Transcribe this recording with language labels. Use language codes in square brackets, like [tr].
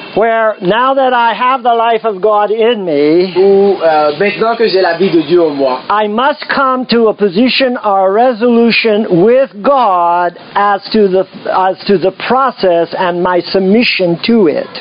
[en] Where now that I have the life of God in me, [fr] où, maintenant que j'ai la vie de Dieu en moi, [en] I must come to a position or a resolution with God as to the process and my submission to it.